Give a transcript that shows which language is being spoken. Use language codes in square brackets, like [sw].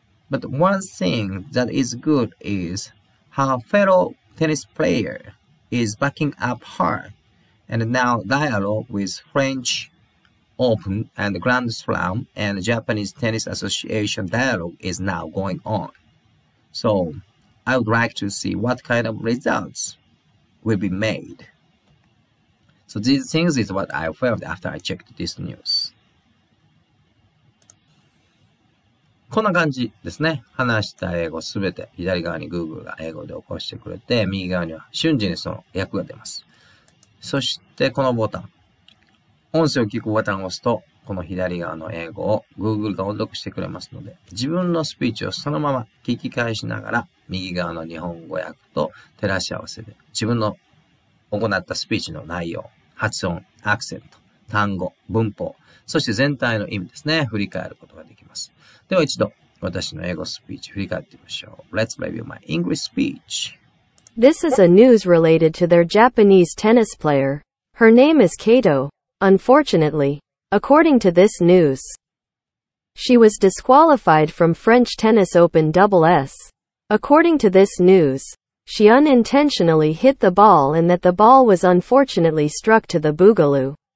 [en] But one thing that is good is her fellow tennis player is backing up her and now dialogue with French Open and Grand Slam and Japanese Tennis Association dialogue is now going on. So I would like to see what kind of results will be made. So these things is what I felt after I checked this news. [ja] こんな感じですね。話した英語すべて左側に Google が英語で起こしてくれて、右側には瞬時にその訳が出ます。そしてこのボタン、音声を聞くボタンを押すと、この左側の英語を Google が音読してくれますので、自分のスピーチをそのまま聞き返しながら、右側の日本語訳と照らし合わせて、自分の行ったスピーチの内容、発音、アクセント、単語、文法、そして全体の意味ですね、振り返ることができます。では一度、私の英語スピーチ振り返ってみましょう。 [en] Let's review my English speech. This is a news related to their Japanese tennis player. Her name is Kato. Unfortunately, according to this news, she was disqualified from French Tennis Open doubles. According to this news, she unintentionally hit the ball and that the ball was unfortunately struck to the boogaloo.